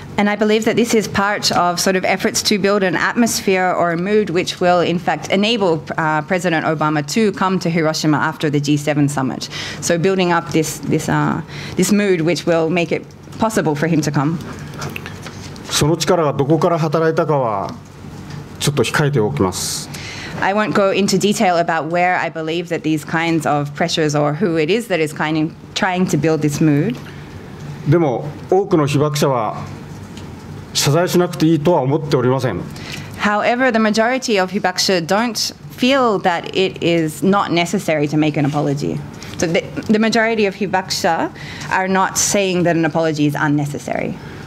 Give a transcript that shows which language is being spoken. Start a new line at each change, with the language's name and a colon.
English: And I believe that this is part of sort of efforts to build an atmosphere or a mood which will in fact enable President Obama to come to Hiroshima after the G7 summit. So building up this mood which will make it possible for him to come.
Japanese: その力がどこから働いたかはちょっと控えておきます。
English: I won't go into detail about where I believe that these kinds of pressures or who it is that is kind of trying to build this mood.
Japanese: でも多くの被爆者は謝罪しなくていいとは思っておりません。
English: However, the majority of Hibakusha don't feel that it is not necessary to make an apology. So the majority of Hibakusha are not saying that an apology is unnecessary.